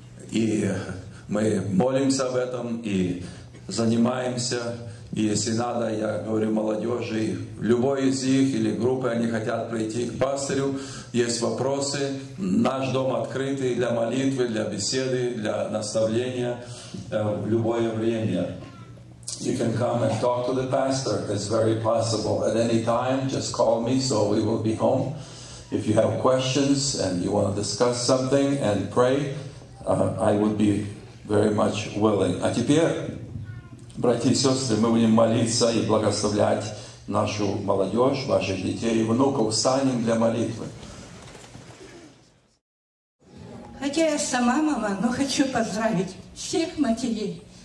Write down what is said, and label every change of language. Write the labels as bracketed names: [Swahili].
[Russian] И мы молимся об этом и занимаемся. И если надо, я говорю молодежи, любой из них или группы, они хотят прийти к пастырю, есть вопросы. Наш дом открытый для молитвы, для беседы, для наставления в любое время. [English] You can come and talk to the pastor. It's very possible. At any time, just call me, so we will be home. If you have questions and you want to discuss something and pray, I would be very much willing. [Russian] А теперь, братья и сестры, мы будем молиться и благословлять нашу молодежь, ваших детей и внуков. Встанем для молитвы. Хотя я сама мама, но хочу поздравить всех матерей.